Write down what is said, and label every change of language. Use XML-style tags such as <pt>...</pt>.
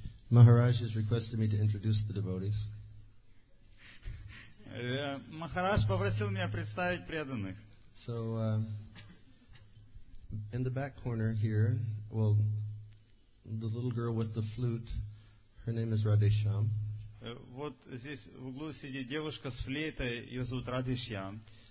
<en>Maharaj has requested me to introduce the devotees.</en> <ru>Maharaj попросил меня представить преданных.</ru> <en>So, in the back corner here, well, the little girl with the flute, her name is Radhesham.</en> <ru>Вот здесь в углу сидит девушка с флейтой, ее зовут Радхешьям.</ru>